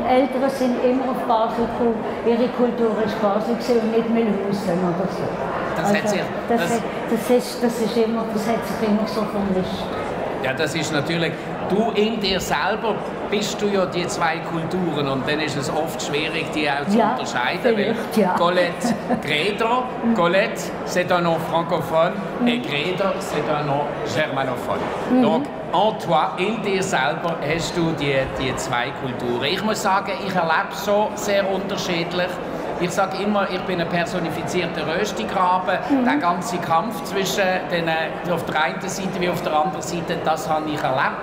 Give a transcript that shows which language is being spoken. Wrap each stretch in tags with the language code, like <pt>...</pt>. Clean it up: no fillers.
<de>Meine Eltern sind immer auf Basel gekommen. Ihre Kultur war Basel gewesen und nicht Mühlhausen oder so. Das hat sich immer so vermischt. Ja, das ist natürlich. Du in dir selber bist du ja die zwei Kulturen. Und dann ist es oft schwierig, die auch zu unterscheiden. Weil</de> <fr>Colette Gredo, Colette, c'est un nom francophone. Et Gredo, c'est un nom germanophone. Donc, en toi,</fr> <de>in dir selber, hast du die zwei Kulturen. Ich muss sagen, ich erlebe so sehr unterschiedlich. Ich sage immer, ich bin ein personifizierter Röstigraben. Mhm. Der ganze Kampf zwischen den, auf der einen Seite wie auf der anderen Seite, das habe ich erlebt.</de>